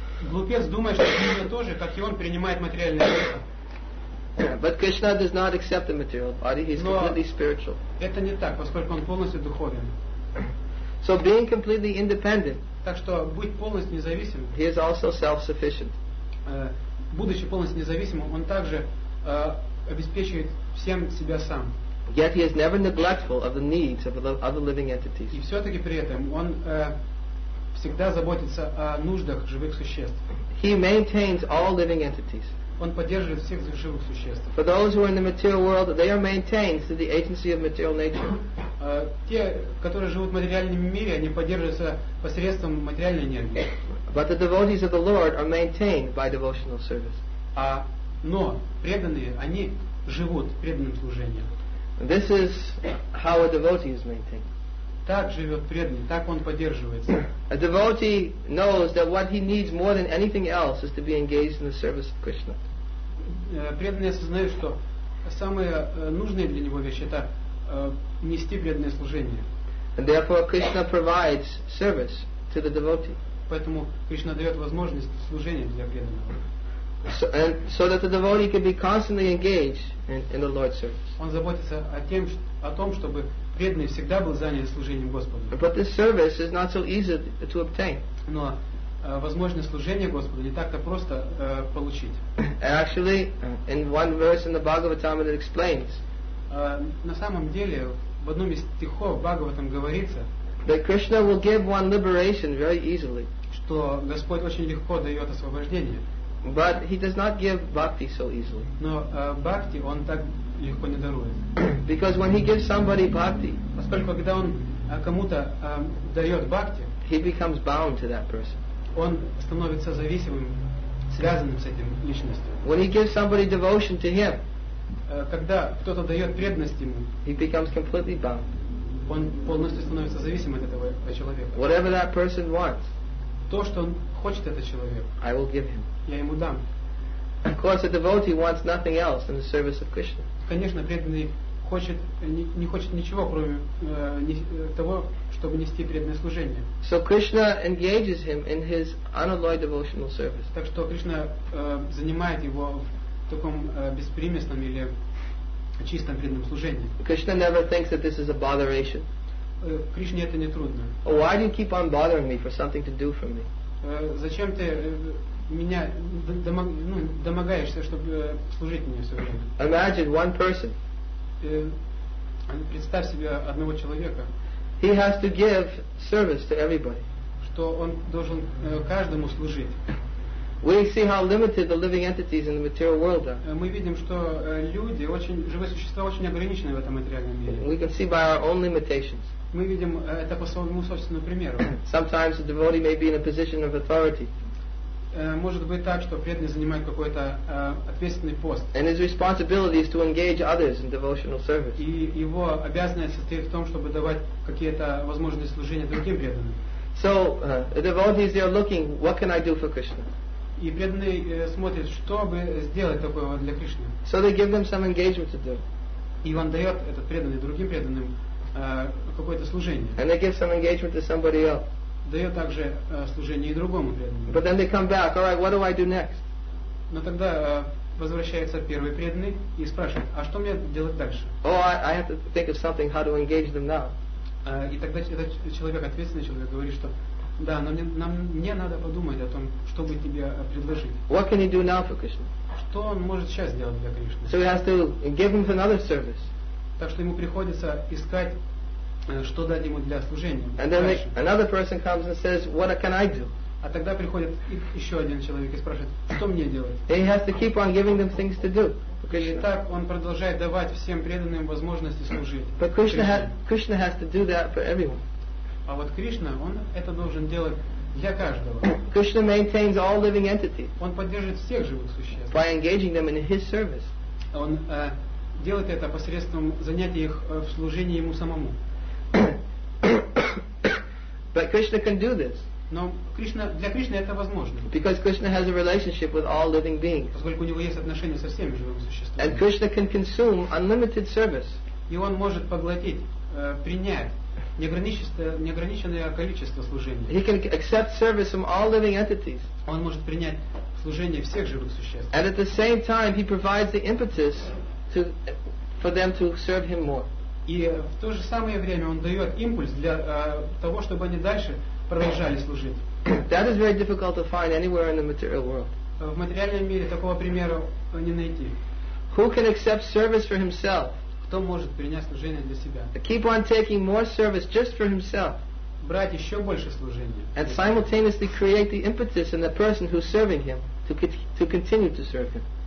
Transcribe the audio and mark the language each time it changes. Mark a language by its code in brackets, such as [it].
[ru] Глупец думает, что Кришна тоже, как и он, принимает материальное тело. [en] But Krishna does not accept the material body. He is completely spiritual. [ru] Это не так, поскольку он полностью духовен. [en] So being completely independent. [ru] Так что быть полностью независимым. [en] He is also self-sufficient. [ru] Будучи полностью независимым, он также обеспечивает всем себя сам. [en] Yet he is never neglectful of the needs of the other living entities. [ru] И все-таки при этом он всегда заботится о нуждах живых существ. [en] He maintains all living entities. [ru] Он поддерживает всех живых существ. [en] For those who are in the material world, they are maintained through the agency of material nature. [ru] Те, которые живут в материальном мире, они поддерживаются посредством материальной энергии. [en] But the devotees of the Lord are maintained by devotional service. [ru] Но преданные, они живут преданным служением. [en] This is how a devotee is maintained. [ru] Так живет преданный, так он поддерживается. [en] A devotee knows that what he needs more than anything else is to be engaged in the service of Krishna. [ru] Преданный осознает, что самые нужные для него вещи — это нести преданное служение. [en] And therefore Krishna provides service to the devotee. [ru] Поэтому Кришна дает возможность служения для преданного. [en] So that the devotee can be constantly engaged in the Lord's service. [ru] Он заботится о том, чтобы преданный всегда был занят служением Господу. [en] But this service is not so easy to obtain. [ru] Но возможность служения Господу не так-то просто получить. [en] Actually, in one verse in the Bhagavatam it explains. [ru] На самом деле, в одном из стихов Бхагаватам говорится, [en] that Krishna will give one liberation very easily. [ru] Что Господь очень легко дает освобождение. [en] But he does not give bhakti so easily. [ru] Но бхакти он так легко не дарует. [en] Because when he gives somebody bhakti, [ru] поскольку когда он кому-то дает бхакти, [en] he becomes bound to that person. [ru] Он становится зависимым, связанным с этим личностью. [en] When he gives somebody devotion to him, [ru] когда кто-то дает преданность ему, [en] he becomes completely bound. [ru] Он полностью становится зависим от этого человека. [en] Whatever that person wants, [ru] то, что он хочет этот человек, [en] I will give him. [ru] Я ему дам. [en] Of course, a devotee wants nothing else than the service of Krishna. [ru] Конечно, преданный хочет не хочет ничего, кроме того, чтобы нести преданное служение. [en] So Krishna engages him in his unalloyed devotional service. [ru] Так что Кришна занимает его в таком беспримесном или чистом преданном служении. [en] Krishna never thinks that this is a botheration. [ru] Кришне это не трудно. [en] Oh, why do you keep on bothering me for something to do for me? [ru] Зачем ты меня домогаешься, чтобы служить мне все время? [en] Imagine one person. [ru] Представь себе одного человека. [en] He has to give service to everybody. [ru] Что он должен каждому служить. [en] We see how limited the living entities in the material world are. [ru] Мы видим, что люди, очень живые существа, очень ограничены в этом материальном мире. [en] We can see by our own limitations. [ru] Мы видим это по своему собственному примеру. [en] Sometimes a devotee may be in a position of authority. [ru] Может быть так, что преданный занимает какой-то ответственный пост. [en] And his responsibility is to engage others in devotional service. [ru] И его обязанность состоит в том, чтобы давать какие-то возможные служения другим преданным. [en] So the devotees, they are looking, what can I do for Krishna? [ru] И преданный смотрит, что бы сделать такого для Кришны. [en] So they give them some engagement to do. [ru] И он дает этот преданный другим преданным какое-то служение. [en] And they give some engagement to somebody else. [ru] Дает также служение и другому преданному. [en] But then they come back. All right, what do I do next? [ru] Но тогда возвращается первый преданный и спрашивает, а что мне делать дальше? [en] Oh, I have to think of something. How to engage them now? [ru] И тогда этот человек, ответственный человек, говорит, что да, но мне надо подумать о том, что бы тебе предложить. [en] What can he do now for Krishna? [ru] Что он может сейчас сделать для Кришны? [en] So he has to give him another service. [ru] Так что ему приходится искать. Что дать ему для служения? [en] And then another person comes and says, "What can I do?" [ru] А тогда приходит еще один человек и спрашивает, что мне делать? [en] He has to keep on giving them things to do. [ru] И так он продолжает давать всем преданным возможности служить. [en] But Krishna has to do that for everyone. [ru] А вот Кришна, он это должен делать для каждого. [en] Krishna maintains all living entities. [ru] Он поддерживает всех живых существ. [en] By engaging them in his service. [ru] Он делает это посредством занятий их в служении ему самому. [en] But Krishna can do this. [ru] Но Кришна, для Кришны это возможно. [en] Because Krishna has a relationship with all living beings. [ru] Поскольку у него есть отношения со всеми живыми существами. [en] And Krishna can consume unlimited service. [ru] И он может поглотить, принять неограниченное количество служений. [en] He can accept service from all living entities. [ru] Он может принять служение всех живых существ. [en] And at the same time, he provides the impetus for them to serve him more. [ru] И в то же самое время он дает импульс для того, чтобы они дальше продолжали служить. [en] That is very difficult to find anywhere in the material world. [ru] В материальном мире такого примера не найти. [en] Who can accept service for himself? [ru] Кто может принять служение для себя? [en] Keep on taking more service just for himself. [ru] Брать еще больше служения. [en] And simultaneously create the impetus in the person who's serving him to continue to serve him.